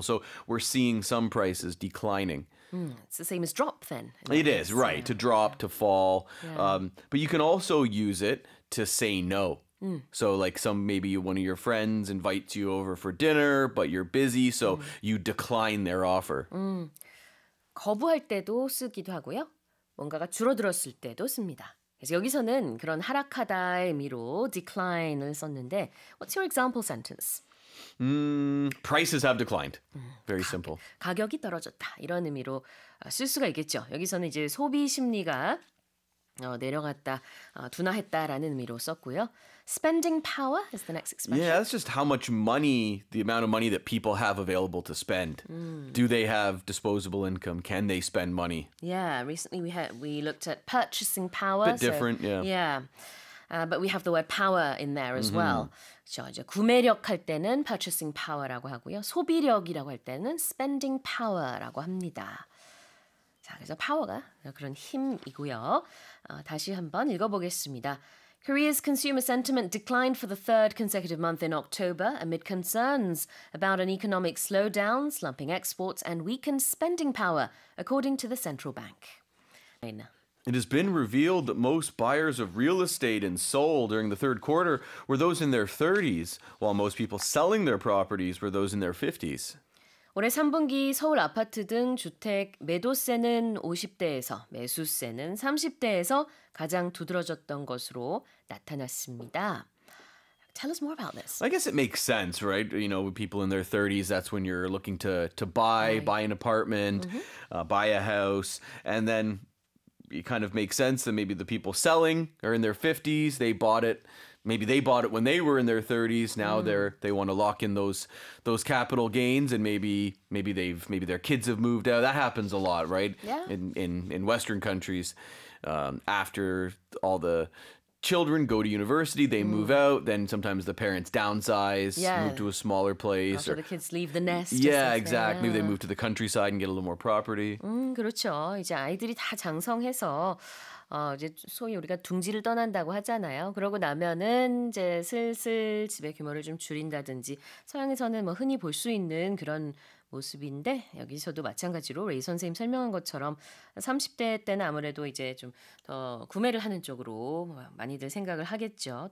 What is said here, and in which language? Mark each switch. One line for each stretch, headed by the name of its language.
English: So we're seeing some prices declining. It's the same as drop, then. It is, right, to drop, to fall. Yeah. But you can also use it to say no. Mm. So, like, maybe one of your friends invites you over for dinner, but you're busy, so you decline their offer.
Korean: 거부할 때도 쓰기도 하고요. 뭔가가 줄어들었을 때도 씁니다. 그래서 여기서는 그런 하락하다의 의미로 decline을 썼는데,
English: what's your example sentence? Prices have declined. Very simple.
Korean: 가격이 떨어졌다. 이런 의미로 쓸 수가 있겠죠. 여기서는 이제 소비 심리가 내려갔다, 둔화했다라는 의미로 썼고요.
English: Spending power is the next expression. Yeah, that's just how much money, the amount of money that people have available to spend. Do they have disposable income? Can they spend money? Yeah, recently we looked at purchasing power. Bit different, yeah. Yeah. But we have the word power in there as mm-hmm.
Korean: well. 그렇죠. 구매력 할 때는 purchasing power라고 하고요. 소비력이라고 할 때는 spending power라고 합니다. 자, 그래서 power가 그런 힘이고요. 다시 한번 읽어보겠습니다.
English: Korea's consumer sentiment declined for the third consecutive month in October amid concerns about an economic slowdown, slumping exports, and weakened spending power, according to the central bank. It has been revealed that most buyers of real estate in Seoul during the third quarter were those in their 30s, while most people selling their properties were those in their 50s.
Korean: 올해 3분기 서울 아파트 등 주택 매도세는 50대에서 매수세는 30대에서 가장 두드러졌던 것으로 나타났습니다.
English: Tell us more about this. I guess it makes sense, right? You know, people in their 30s, that's when you're looking to buy, right. buy an apartment, mm-hmm. Buy a house. And then it kind of makes sense that maybe the people selling are in their 50s, they bought it. Maybe they bought it when they were in their 30s. Now mm. they want to lock in those capital gains, and maybe their kids have moved out. That happens a lot, right? Yeah. In Western countries, after all the children go to university, they mm. move out. Then sometimes the parents downsize, yeah. move to a smaller place. After the kids leave the nest. Yeah, exactly. Maybe they move to the countryside and get a little more property.
Korean: 그렇죠. 이제 아이들이 다 장성해서. 이제 소위 우리가 둥지를 떠난다고 하잖아요. 그러고 나면은 이제 슬슬 집의 규모를 좀 줄인다든지 서양에서는 뭐 흔히 볼 수 있는 그런 모습인데 여기서도 마찬가지로 레이 선생님 설명한 것처럼 30대 때는 아무래도 이제 좀 더 구매를 하는 쪽으로 많이들 생각을 하겠죠.